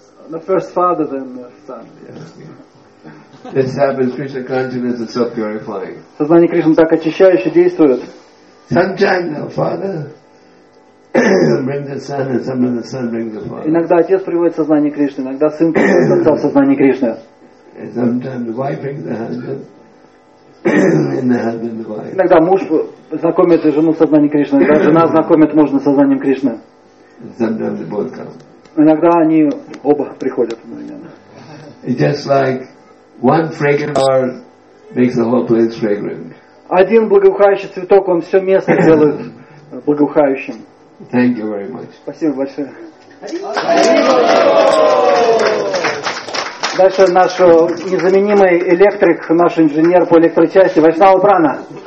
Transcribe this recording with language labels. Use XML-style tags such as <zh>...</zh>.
<en>The first father, then the son. Yes. This happens. Krishna consciousness is self-purifying.</en> <ru>Сознание Кришны так очищающе действует.</ru> <en>Sometimes the father brings the son, and sometimes the son brings the father.</en> <ru>Иногда отец приводит сознание Кришны, иногда сын приводит отца в сознание Кришны.</ru> <en>Sometimes the wife brings the husband, and the husband the wife.</en> <ru>Иногда муж знакомит жену с сознанием Кришны, иногда жена знакомит мужа с сознанием Кришны.</ru> <en>Sometimes they both come.</en> <ru>Иногда они оба приходят одновременно.</ru> <en>It's just like one fragrant flower makes the whole place fragrant.</en> <ru>Один благоухающий цветок, он все место делает благоухающим.</ru> <en>Thank you very much.</en> <ru>Спасибо большое. Дальше наш незаменимый электрик, наш инженер по электрочасти Вайшнава Прана.</ru>